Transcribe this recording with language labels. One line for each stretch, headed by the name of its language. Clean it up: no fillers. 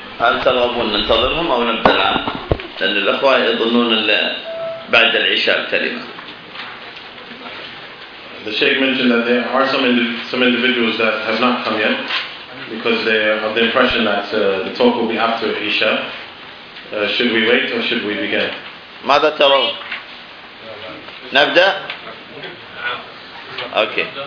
Arabic: هل ترغبون ننتظرهم أو نبدأ الآن؟ لأن الأخوة يظنون أن بعد العشاء كلمة.
English: The Sheikh mentioned that there are some individuals that have not come yet because they are of the impression that the talk will be after Isha. Should we wait or should we begin?
Arabic: ماذا ترون؟ نبدأ؟ Okay.